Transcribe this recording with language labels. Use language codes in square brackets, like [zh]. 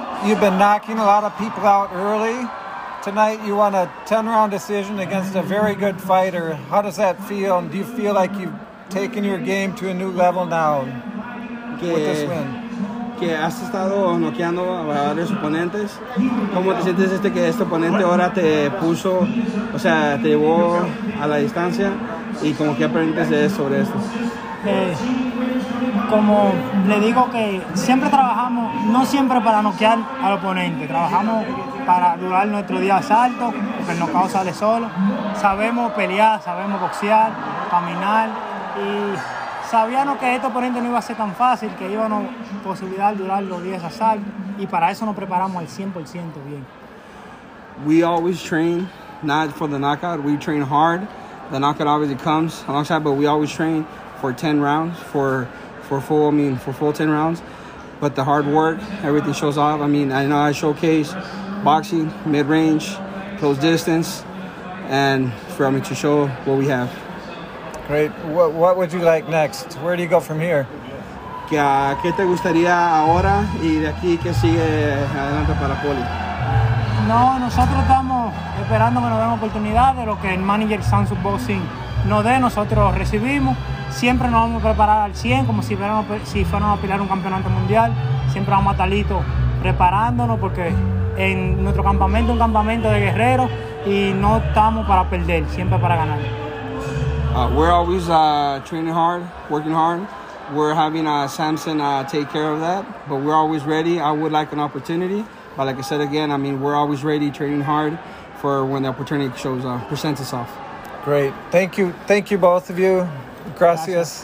[en] You've been knocking a lot of people out early. Tonight you won a 10-round decision against a very good fighter. How does that feel? And do you feel like you've taken your game to a new level now with this win? [es] Que has estado noqueando a varios oponentes. ¿Cómo te sientes que este oponente ahora te puso, o sea, te llevó a la distancia? ¿Y como que aprendes de eso, sobre esto? Como le digo que siempre trabajamos, no siempre para noquear al oponente. Trabajamos para durar nuestro día salto, porque el nocao sale solo. Sabemos pelear, sabemos boxear, caminar y... Sabíamos que este oponente no iba a ser tan fácil, que iba a no posibilidad de durar los 10 asaltos, y para eso nos preparamos al 100% bien. [en] We always train, not for the knockout, we train hard. The knockout obviously comes alongside, but we always train for 10 rounds, for full 10 rounds. But the hard work, everything shows off. I know I showcase boxing, mid-range, close distance, and for me to show what we have. Great. What would you like next? Where do you go from here? [es] ¿Qué te gustaría ahora y de aquí qué sigue adelante para Poli? No, nosotros estamos esperando que nos den oportunidad de lo que el manager Samsung Boxing nos dé. Nosotros recibimos. Siempre nos vamos a preparar al 100, como si fuéramos a pelear un campeonato mundial. Siempre vamos a estar listos preparándonos porque en nuestro campamento es un campamento de guerreros y no estamos para perder, siempre para ganar. [en] We're always training hard, working hard. We're having Samson take care of that, but we're always ready. I would like an opportunity, but like I said again, we're always ready, training hard for when the opportunity shows presents itself. Great. Thank you. Thank you, both of you. [es] Gracias.